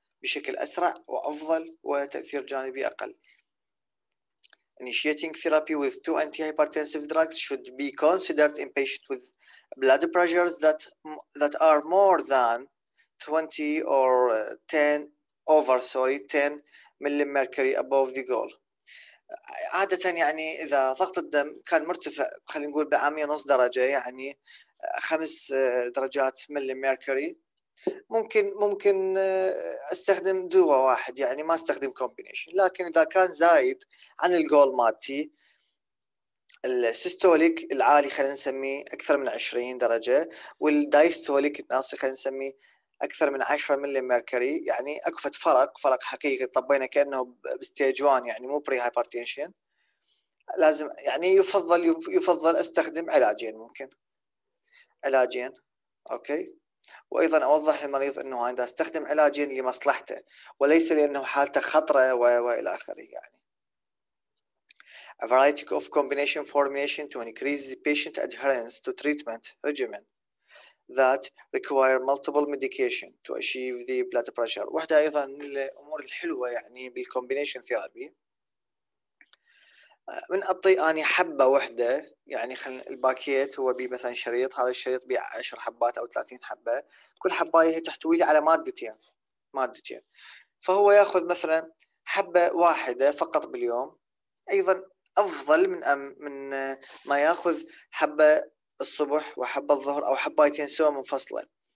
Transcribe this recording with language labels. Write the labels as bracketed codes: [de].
[ar] بشكل أسرع وأفضل وتأثير جانبي أقل. [en] Initiating therapy with two antihypertensive drugs should be considered in patients with blood pressures that are more than 20 or 10 over, sorry, 10 millimercury above the goal. [ar] عادة يعني إذا ضغط الدم كان مرتفع خلينا نقول بالعامية نص درجة يعني 5 درجات ملي ميركوري ممكن استخدم دواء واحد يعني ما استخدم كومبينيشن، لكن إذا كان زايد عن الجول مالتي السيستوليك العالي خلينا نسميه أكثر من 20 درجة والدايستوليك الناصي خلينا نسميه أكثر من 10 مللي ميركوري، يعني أكو فرق حقيقي طبينا كأنه بستيج 1 يعني مو بري هايبرتنشن، لازم يعني يفضل أستخدم علاجين، ممكن علاجين أوكي. وأيضا أوضح للمريض أنه عندما أستخدم علاجين لمصلحته وليس لأنه حالته خطرة وإلى آخره. [en] يعني A variety of combination formulation to increase the patient adherence to treatment regimen that require multiple medication to achieve the blood pressure. [ar] واحدة أيضا من الأمور الحلوة يعني بالكومبينيشن ثيرابي من أعطي أني حبة واحدة، يعني خل الباكيت هو بي مثلا شريط، هذا الشريط بي 10 حبات أو 30 حبة، كل حباية هي تحتوي على مادتين، فهو يأخذ مثلا حبة واحدة فقط باليوم، أيضا أفضل من ما يأخذ حبة الصبح وحبة الظهر أو حبايتين سوا منفصلة.